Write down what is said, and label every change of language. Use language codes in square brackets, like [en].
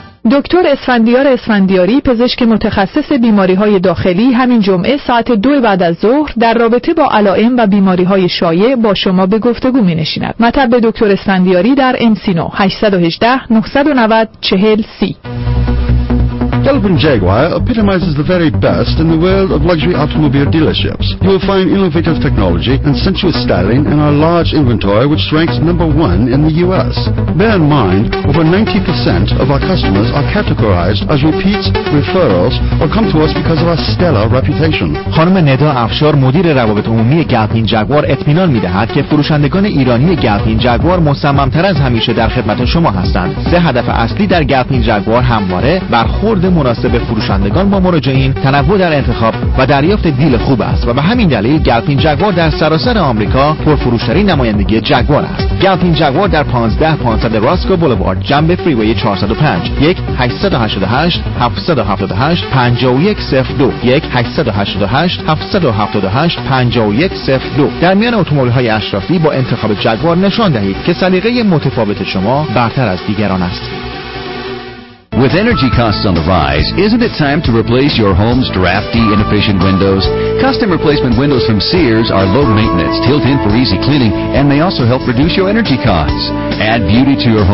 [fa] دکتر اسفندیار اسفندیاری، پزشک متخصص بیماری‌های داخلی، همین جمعه ساعت 2 بعد از ظهر در رابطه با علائم و بیماری‌های شایع با شما به گفتگو می‌نشیند. مطب دکتر اسفندیاری در امسینو 818 990 40 30. [en] Delvin Jaguar epitomizes the very best in the world of luxury automobile dealerships. You will find innovative technology and sensuous styling in our large inventory, which ranks number one in the US. Bear in mind, over 90% of our customers are categorized as repeats, referrals, or come to us because of our stellar reputation. [fa] خانم ندا افشار، مدیر روابط عمومی گلفین جگوار، اطمینان می‌دهد که فروشندگان ایرانی گلفین جگوار مصمم‌تر از همیشه در خدمت شما هستند. سه هدف اصلی در گلفین جگوار همواره برخورد مناسب فروشندگان با مراجعین، تنوع در انتخاب و دریافت دیل خوب است و به همین دلیل گلفین جگوار در سراسر آمریکا پرفروش‌ترین نمایندگی جگوار است. گلفین جگوار در 15500 راسکو بولوارد جنب فریوی 405، 1-888-778-5102، 1-888-778-5102. در میان اتومبیل‌های اشرافی با انتخاب جگوار نشان دهید که سلیقه متفاوت شما برتر از دیگران است. [en] With energy costs on the rise, isn't it time to replace your home's drafty, inefficient windows? Custom replacement windows from Sears are low maintenance, tilt in for easy cleaning, and may also help reduce your energy costs. Add beauty to your home.